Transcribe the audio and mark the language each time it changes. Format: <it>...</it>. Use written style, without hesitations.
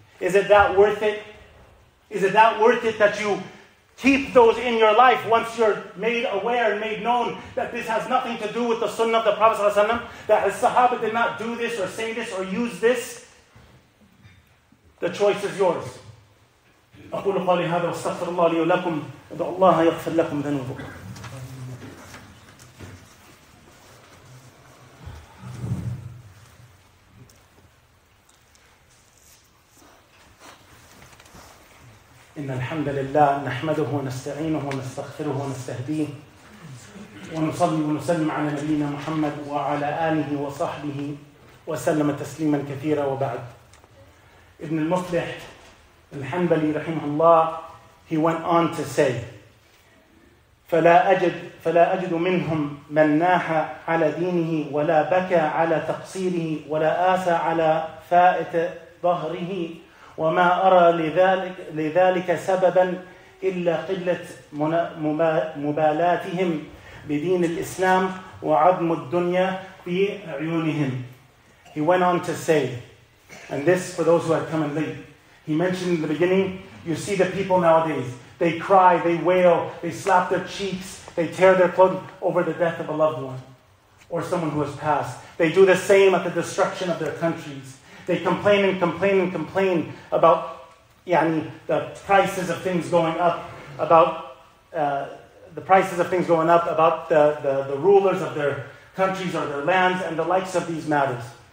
<en>Is it that worth it? Is it that worth it that you keep those in your life once you're made aware and made known that this has nothing to do with the sunnah of the Prophet ﷺ, that his sahaba did not do this or say this or use this? The choice is yours.</en> <ar>أقول قولي هذا واستغفر الله لي ولكم ادعو الله يغفر لكم ذنوبكم. إن الحمد لله نحمده ونستعينه ونستغفره ونستهديه ونصلي ونسلم على نبينا محمد وعلى آله وصحبه وسلم تسليما كثيرا وبعد.</ar> <en>Ibn al-Muflih, al-Hanbali, rahimahullah, he went on to say,</en> <ar>فَلَا أَجِدُ مِنْهُمْ مَنْ نَاحَ عَلَى دِينِهِ وَلَا بَكَى عَلَى تَقْصِيرِهِ وَلَا آسَى عَلَى فَائِتَ ظَهْرِهِ وَمَا أَرَى لِذَلِكَ سَبَبًا إِلَّا قِلَّةَ مُبَالَاتِهِمْ بِدِينِ الْإِسْلَامِ وَعَدْمُ الدُّنْيَا فِي عُيُونِهِمْ.</ar> <en>He went on to say, and this for those who have come in late, he mentioned in the beginning, you see the people nowadays, they cry, they wail, they slap their cheeks, they tear their clothing over the death of a loved one or someone who has passed. They do the same at the destruction of their countries. They complain and complain and complain about the prices of things going up, about the prices of things going up, about the rulers of their countries or their lands and the likes of these matters.</en>